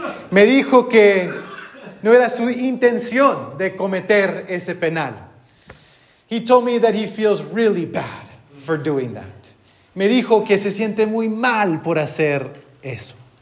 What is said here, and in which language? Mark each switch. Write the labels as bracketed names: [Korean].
[Spanish] Me dijo que no era su intención de cometer ese penal. [English] He told me that he feels really bad for doing that. [Spanish] Me dijo que se siente muy mal por hacer eso.